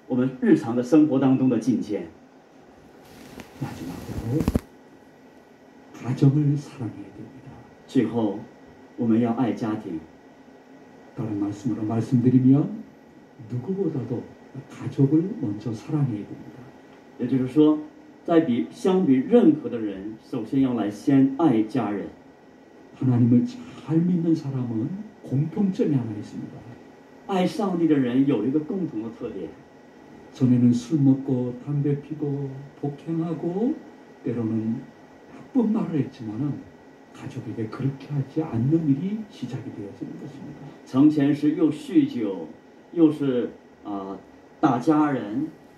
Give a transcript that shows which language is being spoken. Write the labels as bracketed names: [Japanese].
[Chinese] 愿这成为我们能够胜过生活当中各样患难困苦的我们日常的生活当中的境界。 [Korean] 마지막으로 가정을 사랑해야 됩니다. [Chinese] 最后我们要爱家庭。 [Korean] 다른 말씀으로 말씀드리면 누구보다도 가족을 먼저 사랑해야 됩니다. [Chinese] 也就是说 在比相比任何的人，首先要来先爱家人。 [Korean] 하나님을 잘 믿는 사람은 공통점이 하나 있습니다. [Chinese] 爱上帝的人有一个共同的特点。 [Korean] 전에는 술 먹고 담배 피고 폭행하고 때로는 나쁜 말을 했지만은 가족에게 그렇게 하지 않는 일이 시작이 되었던 것입니다. [Chinese] 从前是又酗酒，又是打家人。